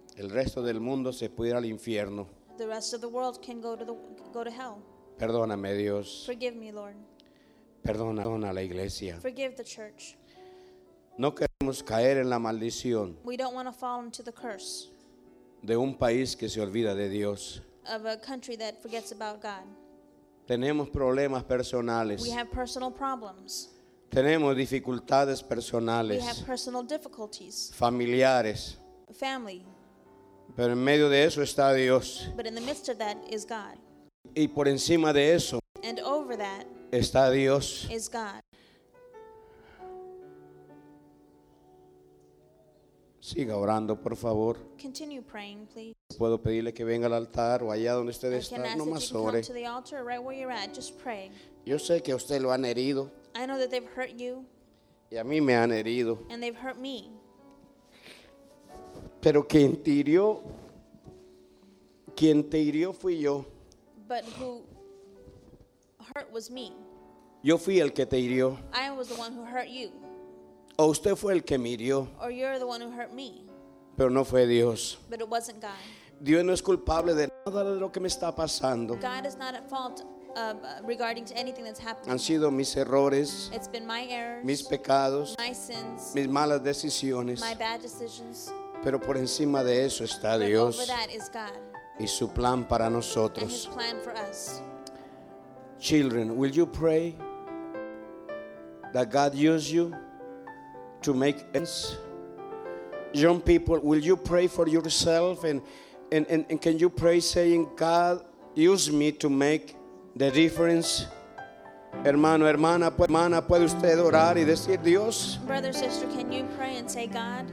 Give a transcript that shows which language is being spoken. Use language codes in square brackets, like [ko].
[es] El resto del mundo se puede ir al infierno. [en] The rest of the world can go to hell. [es] Perdóname, Dios. [en] Forgive me, Lord. [es] Perdona la iglesia. [en] Forgive the church. [es] No queremos caer en la maldición. [en] We don't want to fall into the curse. [es] De un país que se olvida de Dios. [en] Of a country that forgets about God. [es] Tenemos problemas personales. [en] We have personal problems. [es] Tenemos dificultades personales. [en] We have personal difficulties. [es] Familiares. [en] Family. [es] Pero en medio de eso está Dios. [en] But in the midst of that is God. [es] Y por encima de eso. [en] And over that. [es] Está Dios. [en] Is God. [es] Siga orando, por favor. [en] Continue praying, please. [es] Puedo pedirle que venga al altar o allá donde usted está, no más ore. [en] To the altar or right where you're at, just pray. [es] Yo sé que a usted lo han herido. [en] I know that they've hurt you. [es] Y a mí me han herido. [en] And they've hurt me. [es] Pero quien te hirió fui yo. [en] But who hurt was me. [es] Yo fui el que te hirió. [en] I was the one who hurt you. [es] O usted fue el que me hirió. [en] Or you're the one who hurt me. [es] Pero no fue Dios. [en] But it wasn't God. [es] Dios no es culpable de nada de lo que me está pasando. [en] God is not at fault regarding to anything that's happening. [es] Han sido mis errores, [en] it's been my errors, [es] mis pecados, [en] my sins, [es] mis malas decisiones, [en] my bad decisions. [es] Pero por encima de eso está [en] but [es] Dios [en] over that is God, [es] y su plan para nosotros. [en] And his plan for us. Children, will you pray that God use you to make ends? Young people, will you pray for yourself and can you pray saying, God, use me to make the difference? [es] Hermano, hermana, puede usted orar y decir, Dios, [en] brother, sister, can you pray and say, God,